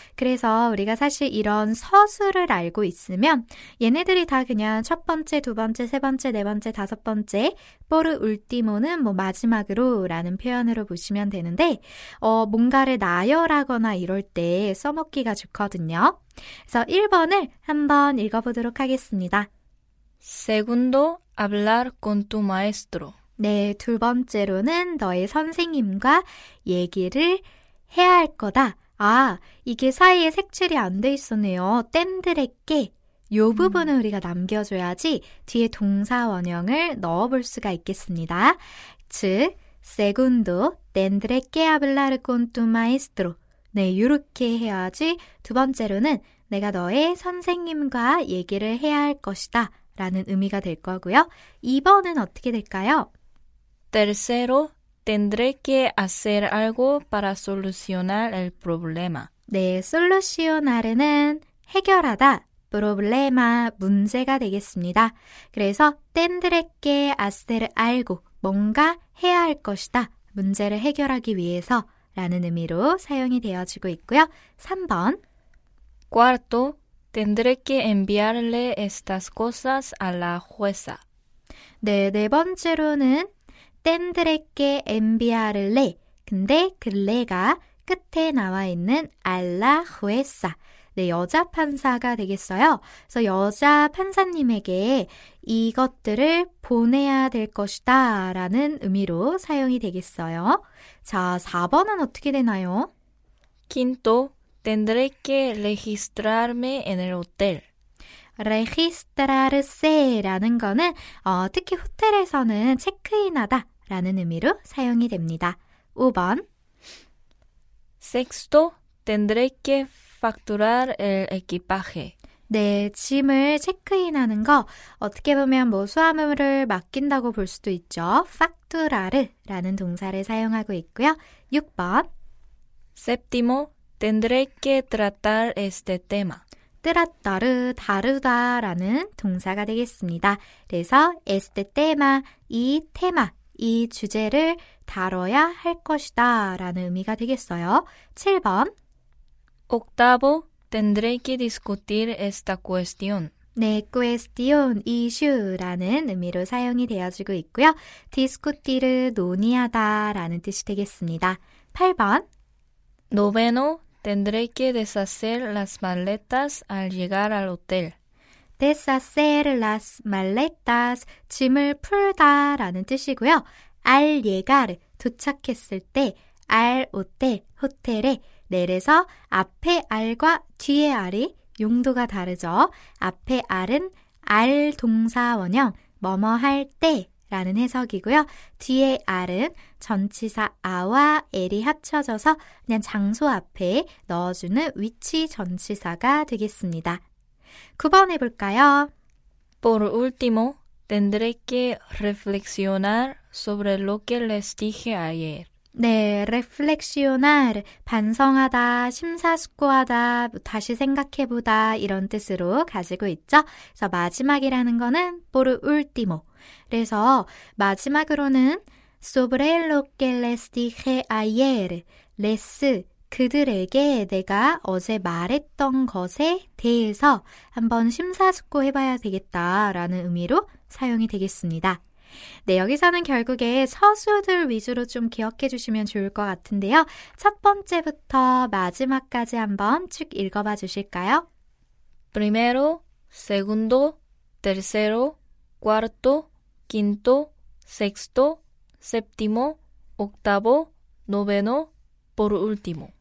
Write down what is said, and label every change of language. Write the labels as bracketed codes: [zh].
[ko] 그래서 우리가 사실 이런 서술을 알고 있으면 얘네들이 다 그냥 첫 번째, 두 번째, 세 번째, 네 번째, 다섯 번째 por último는 뭐 마지막으로 라는 표현으로 보시면 되는데 뭔가를 나열하거나 이럴 때 써먹기가 좋거든요. 그래서 1번을 한번 읽어보도록 하겠습니다. [es] Segundo, hablar con tu maestro. [ko] 네, 두 번째로는 너의 선생님과 얘기를 해야 할 거다. 아, 이게 사이에 색칠이 안 돼 있었네요. 땜드레께 요 부분을 우리가 남겨줘야지 뒤에 동사 원형을 넣어볼 수가 있겠습니다. [es] 즉, segundo, tendré que hablar con tu maestro. [ko] 네, 이렇게 해야지 두 번째로는 내가 너의 선생님과 얘기를 해야 할 것이다 라는 의미가 될 거고요. 2번은 어떻게 될까요? [es] Tercero, tendré que hacer algo para solucionar el problema. [ko] 네, solucionar는 해결하다, problema, 문제가 되겠습니다. 그래서 [es] tendré hacer algo, [ko] 뭔가 해야 할 것이다, 문제를 해결하기 위해서 라는 의미로 사용이 되어지고 있고요. 3번 [es] Cuarto, tendré que enviarle estas cosas a la jueza. [ko] 네, 네 번째로는 [es] tendré que enviarle, [ko] 근데 글래가 끝에 나와 있는 a la jueza, 네, 여자 판사가 되겠어요. 그래서 여자 판사님에게 이것들을 보내야 될 것이다 라는 의미로 사용이 되겠어요. 자, 4번은 어떻게 되나요? [es] Quinto, tendré que registrarme en el hotel. [ko] registrarse 라는 거는 특히 호텔에서는 체크인하다 라는 의미로 사용이 됩니다. 5번 [es] Sexto, tendré que facturar el equipaje. [ko] 네, 짐을 체크인하는 거 어떻게 보면 뭐 수화물을 맡긴다고 볼 수도 있죠. facturar라는 동사를 사용하고 있고요. 6번 [es] Séptimo, tendré que tratar este tema. [ko] tratar, 다루다 라는 동사가 되겠습니다. 그래서 este tema, 이 테마, 이 주제를 다뤄야 할 것이다 라는 의미가 되겠어요. 7번 [es] Octavo, tendré que discutir esta cuestión. [ko] 네, cuestión, issue라는 의미로 사용이 되어지고 있고요. discutir, 논의하다 라는 뜻이 되겠습니다. 8번 [es] Noveno, tendré que deshacer las maletas al llegar al hotel. deshacer las maletas, [ko] 짐을 풀다 라는 뜻이고요. [es] al llegar, [ko] 도착했을 때, al hotel, 호텔에, 내려서 앞에 알과 뒤에 알이 용도가 다르죠. 앞에 알은 알 동사원형, 뭐뭐 할 때 라는 해석이고요. 뒤에 알은 전치사 아와 엘이 합쳐져서 그냥 장소 앞에 넣어주는 위치 전치사가 되겠습니다. 9번 해볼까요? [es] Por último, tendré que reflexionar sobre lo que les dije ayer. [ko] 네, reflexionar, 반성하다, 심사숙고하다, 다시 생각해보다 이런 뜻으로 가지고 있죠. 그래서 마지막이라는 거는 por último. 그래서 마지막으로는 [es] sobre lo que les dije ayer, [ko] les, 그들에게 내가 어제 말했던 것에 대해서 한번 심사숙고해봐야 되겠다라는 의미로 사용이 되겠습니다. 네, 여기서는 결국에 서술들 위주로 좀 기억해 주시면 좋을 것 같은데요. 첫 번째부터 마지막까지 한번 쭉 읽어봐 주실까요? [es] Primero, segundo, tercero, cuarto, quinto, sexto, séptimo, octavo, noveno, por último.